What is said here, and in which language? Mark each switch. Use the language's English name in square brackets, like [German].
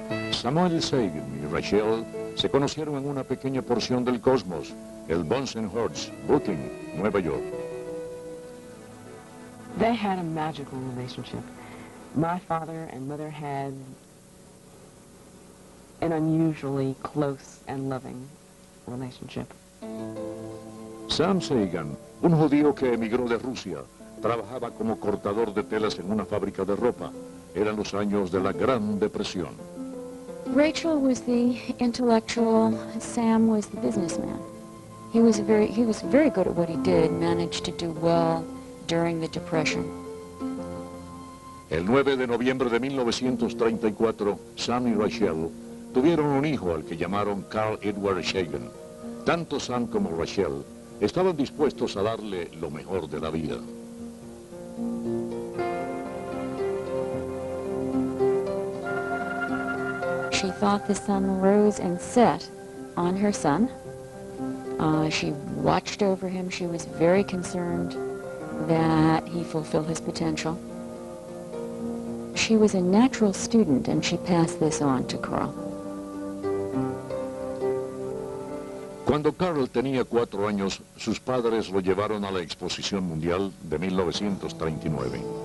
[Spanish] Samuel Sagan y Rachel se conocieron en una pequeña porción del cosmos, el Bunsenhorst, Brooklyn, Nueva York. [English] They had a magical relationship. My father and mother had an unusually close and loving relationship. [Spanish] Sam Sagan, un judío que emigró de Rusia, trabajaba como cortador de telas en una fábrica de ropa. Eran los años de la Gran Depresión. [English] Rachel was the intellectual, Sam was the businessman. He was very good at what he did, managed to do well during the Depression. [Spanish] El 9 de noviembre de 1934, Sam y Rachel tuvieron un hijo al que llamaron Carl Edward Sagan. Tanto Sam como Rachel estaban dispuestos a darle lo mejor de la vida. [English] She thought the sun rose and set on her son. She watched over him. She was very concerned that he fulfill his potential. She was a natural student, and she passed this on to Carl. [Spanish] Cuando Carl tenía 4 años, sus padres lo llevaron a la Exposición Mundial de 1939.